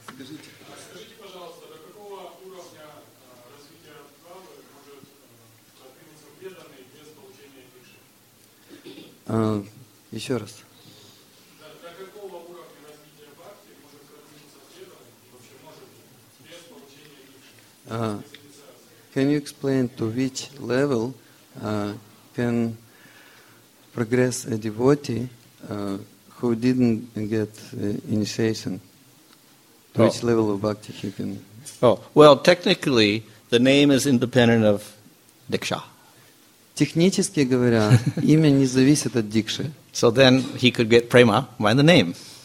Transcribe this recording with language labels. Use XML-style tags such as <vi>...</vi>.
<ru>Скажите, пожалуйста, до какого уровня развития бхавы может продвинуться преданный без получения дикши? Еще раз. До какого уровня развития бхакти может продвинуться преданный, вообще может, без получения дикши?</ru> <en>Can you explain to which level can progress a devotee who didn't get initiation, to which level of bhakti he can... Oh, well, technically, the name is independent of diksha.</en> <ru>Технически говоря, имя не зависит от дикши.</ru> <en>So then he could get prema by the name.</en>